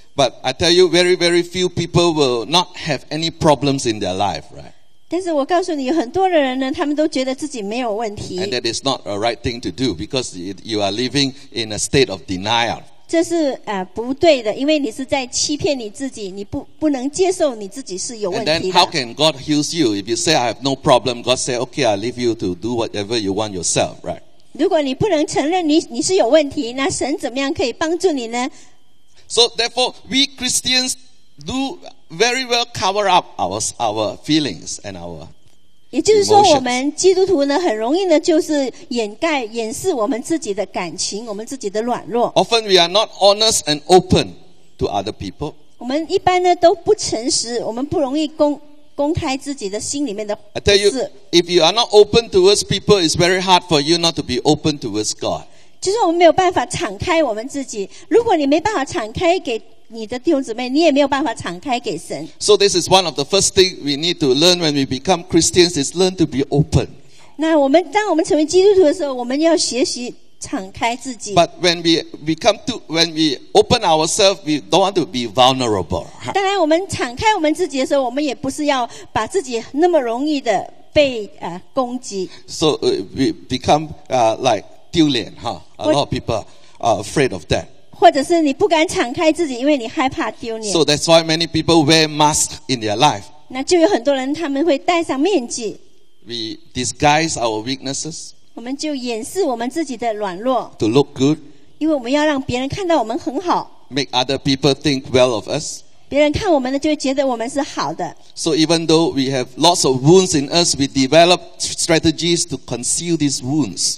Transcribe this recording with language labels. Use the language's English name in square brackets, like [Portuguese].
[English] But I tell you, very, very few people will not have any problems in their life, right? [Chinese] 但是我告诉你，很多的人呢，他们都觉得自己没有问题。 [English] And that is not a right thing to do because you are living in a state of denial. [Chinese] 这是不对的，因为你是在欺骗你自己，你不能接受你自己是有问题的。 [English] And then how can God heal you if you say I have no problem? God say, okay, I leave you to do whatever you want yourself, right? [Chinese] 如果你不能承认你是有问题，那神怎么样可以帮助你呢？ [English] So therefore, we Christians do very well cover up our feelings and our emotions. [Chinese] 也就是说，我们基督徒呢，很容易呢，就是掩饰我们自己的感情，我们自己的软弱。 [English] Often we are not honest and open to other people. [Chinese] 我们一般呢都不诚实，我们不容易公开自己的心里面的事。 [English] I tell you, if you are not open towards people, it's very hard for you not to be open towards God. [Chinese] 就是我们没有办法敞开我们自己。如果你没办法敞开给你的弟兄姊妹，你也没有办法敞开给神。 [English] So this is one of the first things we need to learn when we become Christians, is learn to be open. [Chinese] 那我们当我们成为基督徒的时候，我们要学习敞开自己。 [English] But when we open ourselves, we don't want to be vulnerable. [Chinese] 当然，我们敞开我们自己的时候，我们也不是要把自己那么容易的被攻击。 [English] So we become like [Chinese] 丢脸哈。 [English] A lot of people are afraid of that. [Chinese] 或者是你不敢敞开自己，因为你害怕丢脸。 [English] So that's why many people wear masks in their life. [Chinese] 那就有很多人他们会戴上面具。 [English] We disguise our weaknesses. [Chinese] 我们就掩饰我们自己的软弱 [English] ，to look good， [Chinese] 因为我们要让别人看到我们很好 [English] ，make other people think well of us， [Chinese] 别人看我们呢，就会觉得我们是好的。 [English] So even though we have lots of wounds in us, we develop strategies to conceal these wounds。